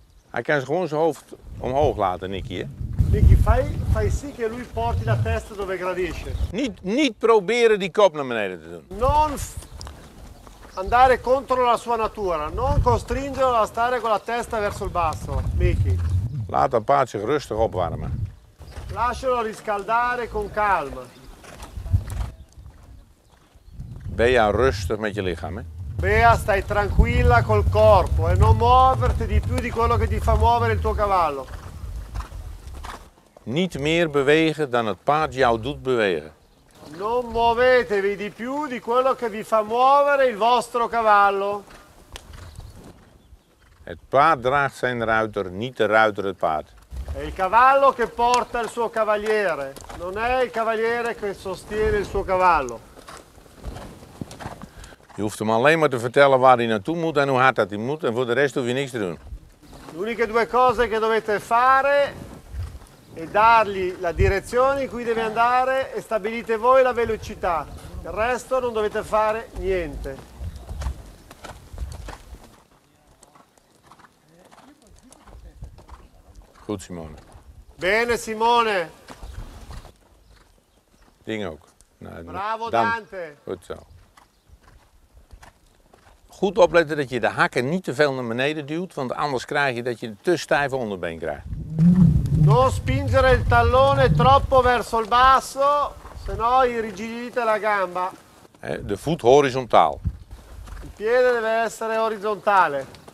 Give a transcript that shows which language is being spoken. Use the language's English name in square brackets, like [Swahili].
[Dutch] Hij kan gewoon zijn hoofd omhoog laten, Nicky. [Italian] Nicky, fai sì che lui porti la testa dove gradisce. [Dutch] Niet proberen die kop naar beneden te doen. [Italian] Non andare contro la sua natura. Non costringerlo a stare con la testa verso il basso, Nicky. [Dutch] Laat dat paard zich rustig opwarmen. [Italian] Lascialo riscaldare con calma. [Dutch] Beja, rustig met je lichaam, hè? [Italian] Bea, stai tranquilla col corpo e non muoverti di più di quello che ti fa muovere il tuo cavallo. [Dutch] Niet meer bewegen dan het paard jou doet bewegen. [Italian] Non muovetevi di più di quello che vi fa muovere il vostro cavallo. [Dutch] Het paard draagt zijn ruiter, niet de ruiter het paard. [Italian] È il cavallo che porta il suo cavaliere, non è il cavaliere che sostiene il suo cavallo. [Dutch] Je hoeft hem alleen maar te vertellen waar hij naartoe moet en hoe hard dat hij moet en voor de rest hoef je niks te doen. [Italian] Le uniche due cose che dovete fare è dargli la direzione in cui deve andare e stabilite voi la velocità. Il resto non dovete fare niente. [Dutch] Goed, Simone. [Italian] Bene, Simone. [Dutch] Ding ook. [Italian] Bravo, Dante. [Dutch] Goed zo. Goed opletten dat je de hakken niet te veel naar beneden duwt, want anders krijg je dat je een te stijve onderbeen krijgt. [Italian] Non spingere il tallone troppo verso il basso, sennò irrigidite la gamba. [Dutch] De voet horizontaal. [Italian] Il piede deve essere orizzontale.